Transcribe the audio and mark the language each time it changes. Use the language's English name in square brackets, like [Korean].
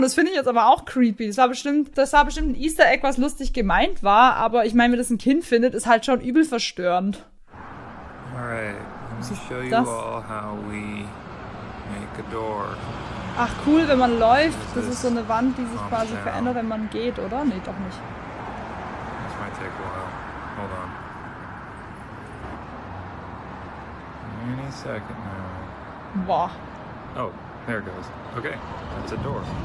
[German] Das finde ich jetzt aber auch creepy. Das war bestimmt ein Easter Egg, was lustig gemeint war, aber ich meine, wenn das ein Kind findet, ist halt schon übel verstörend. [English] Alright, let me show you all how we make a door. [German] Ach cool, wenn man läuft, das ist so eine Wand, die sich quasi verändert, wenn man geht, oder? Nee, doch nicht. [English] This might take a while. Hold on. Any second now. Boah. Oh, there it goes. Okay, that's a door.